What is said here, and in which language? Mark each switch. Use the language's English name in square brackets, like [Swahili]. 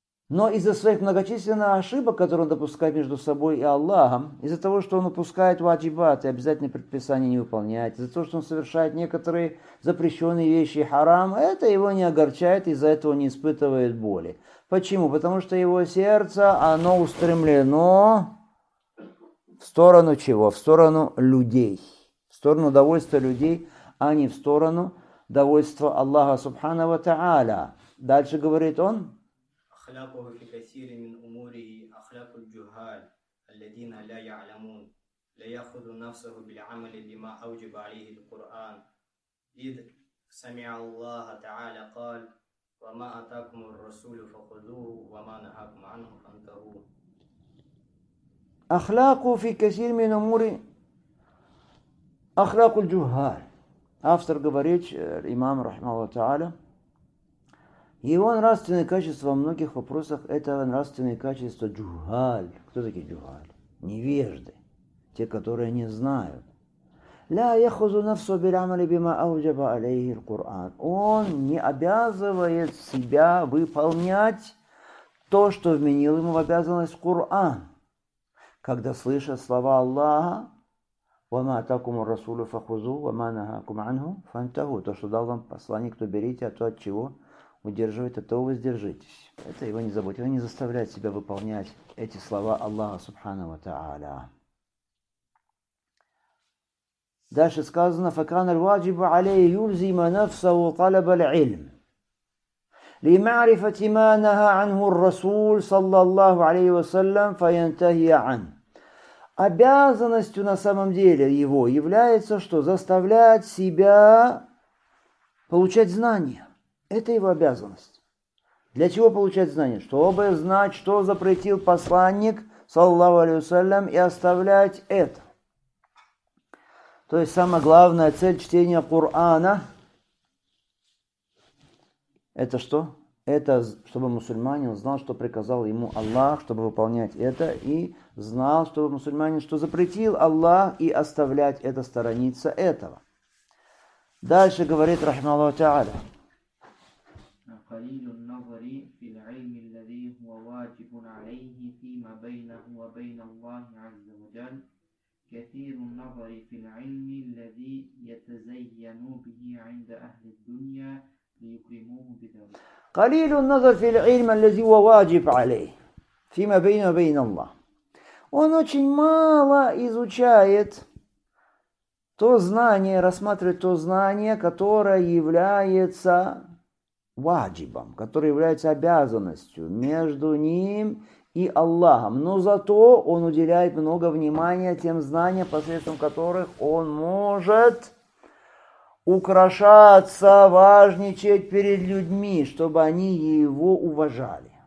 [Russian] Но из-за своих многочисленных ошибок, которые он допускает между собой и Аллахом, из-за того, что он упускает ваджибат и обязательные предписания не выполняет, из-за того, что он совершает некоторые запрещенные вещи и харам, это его не огорчает, из-за этого не испытывает боли. Почему? Потому что его сердце, оно устремлено в сторону чего? В сторону людей. В сторону довольства людей, а не в сторону довольства Аллаха Субхана ва Та'аля. Дальше говорит он. [Arabic] أخلاقه في كثير من أموره أخلاق الجهال الذين لا يعلمون لا يأخذ نفسه بالعمل بما أوجب عليه القرآن إذ سمع الله تعالى قال وما أتاكم الرسول فخذوه وما نهاكم عنه فانتهوا أخلاقه في كثير من أموره أخلاق الجهال أفتر قبريتش الإمام رحمه الله تعالى. [Russian] Его нравственные качества во многих вопросах – это нравственные качества джугаль. Кто такие джугаль? Невежды. Те, которые не знают. [Arabic] «Ля яхузу нафсу бирамали бима ауджаба алейхи ль-Кур'ан». [Russian] Он не обязывает себя выполнять то, что вменил ему в обязанность Кур'ан. Когда слышат слова Аллаха, [Arabic] «Вама атакуму расулю фахузу, вама нахакум анху фантаху». [Russian] То, что дал вам посланник, то берите, а то от чего – удерживает, от того воздержитесь. Это его не заботит, он не заставляет себя выполнять эти слова Аллаха Субхана ва Та'аля. Дальше сказано, [Arabic] فَكَانَ الْوَاجِبُ عَلَيْهِ يُلْزِمَ نَفْسَهُ طَلَبَ الْعِلْمِ لِمَعْرِفَةِ مَا نَهَا عَنْهُ الرَّسُولُ صَلَّى اللَّهُ عَلَيْهِ وَسَلَّمْ فَيَنْتَهِيَ عَنْهُ. [Russian] Обязанностью на самом деле его является, что заставляет себя получать знания. Это его обязанность. Для чего получать знания? Чтобы знать, что запретил посланник, саллаллаху алейхи ва саллям, и оставлять это. То есть самая главная цель чтения Кур'ана это что? Это чтобы мусульманин знал, что приказал ему Аллах, чтобы выполнять это, и знал, чтобы мусульманин, что запретил Аллах, и оставлять это, сторониться этого. Дальше говорит рахмаллаху та'аля. [Arabic] قليل النظر في العلم الذي هو واجب عليه فيما بينه وبين الله عز وجل كثير النظر في العلم الذي يتزين به عند أهل الدنيا ليكرموه بذلك قليل النظر في العلم الذي هو واجب عليه فيما بينه وبين الله. [Russian] Он очень мало изучает то знание, рассматривает то знание, которое является ваджибом, который является обязанностью между ним и Аллахом. Но зато он уделяет много внимания тем знаниям, посредством которых он может украшаться, важничать перед людьми, чтобы они его уважали.